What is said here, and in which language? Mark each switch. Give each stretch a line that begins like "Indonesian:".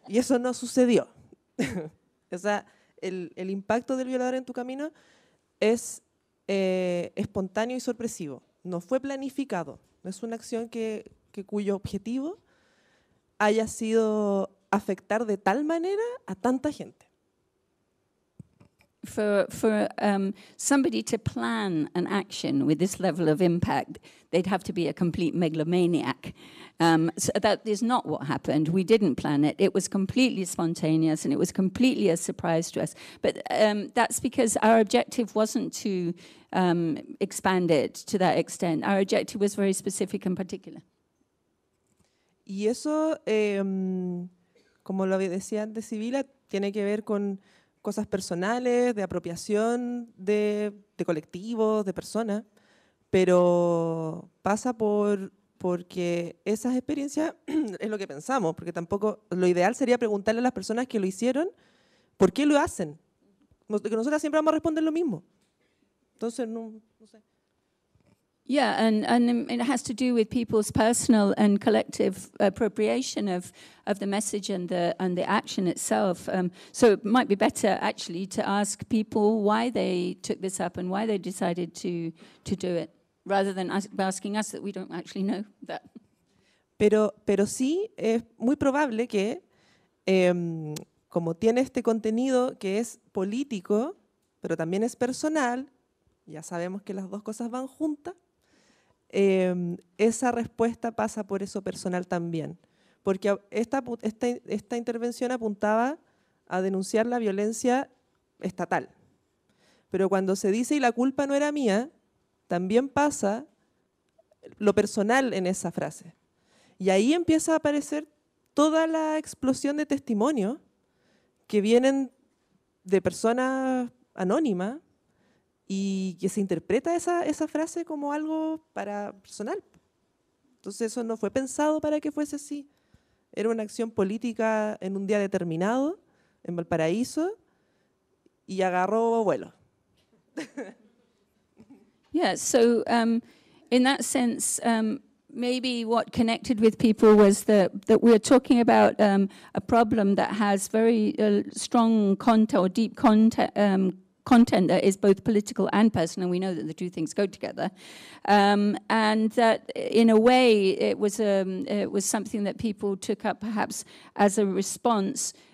Spanish: Y eso no sucedió. O sea, el impacto del violador en tu camino es espontáneo y sorpresivo. No fue planificado. No es una acción cuyo objetivo haya sido afectar de tal manera a tanta gente.
English: For somebody to plan an action with this level of impact, they'd have to be a complete megalomaniac. So that is not what happened. We didn't plan it. It was completely spontaneous and it was completely a surprise to us. But that's because our objective wasn't to expand it to that extent. Our objective was very specific and particular.
Spanish: Y eso, como lo decía antes Sibila, tiene que ver con cosas personales, de apropiación de colectivos, de personas, pero pasa porque esas experiencias, es lo que pensamos, porque tampoco, lo ideal sería preguntarle a las personas que lo hicieron, ¿por qué lo hacen? Porque nosotras siempre vamos a responder lo mismo. Entonces, no sé.
English: Yeah, and it has to do with people's personal and collective appropriation of the message and the action itself. So it might be better actually to ask people why they took this up and why they decided to do it, rather than asking us that we don't actually know that.
Spanish: Pero sí es muy probable que como tiene este contenido que es político, pero también es personal, ya sabemos que las dos cosas van juntas, esa respuesta pasa por eso personal también. Porque esta intervención apuntaba a denunciar la violencia estatal. Pero cuando se dice y la culpa no era mía, también pasa lo personal en esa frase. Y ahí empieza a aparecer toda la explosión de testimonios que vienen de personas anónimas y que se interpreta esa frase como algo para personal. Entonces eso no fue pensado para que fuese así. Era una acción política en un día determinado, en Valparaíso, y agarró vuelo.
English: Yeah, so in that sense, maybe what connected with people was that we are talking about a problem that has very strong content or deep content that is both political and personal, and we know that the two things go together, and that in a way it was something that people took up perhaps as a response.